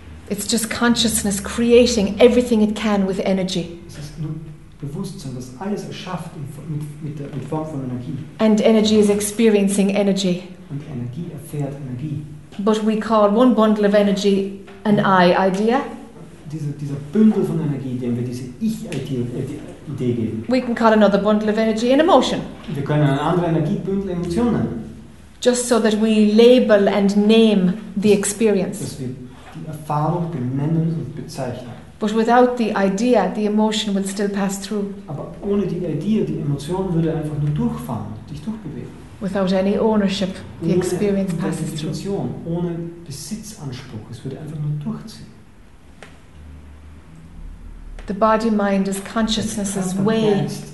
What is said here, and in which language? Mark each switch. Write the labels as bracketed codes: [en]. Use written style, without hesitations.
[en] It's just consciousness creating everything it can with energy. [de] Es ist nur Bewusstsein, das alles erschafft in Form von Energie. [en] And energy is experiencing energy. [de] Und Energie erfährt Energie. [en] But we call one bundle of energy an I idea. [de] Dieser Bündel von Energie, den wir diese Ich-Idee geben. [en] We can call another bundle of energy an emotion. [de] Wir können einen anderen Energiebündel Emotion nennen. [en] Just so that we label and name the experience. [de] Erfahrung benennen und bezeichnen. [en] But without the idea, the emotion will still pass through. [de] Aber ohne die Idee, die Emotion würde einfach nur durchfahren, dich durchbewegen. [en] Without any ownership, the experience passes through. [de] Ohne Besitzanspruch, es würde einfach nur durchziehen. [en] The body mind is consciousness's way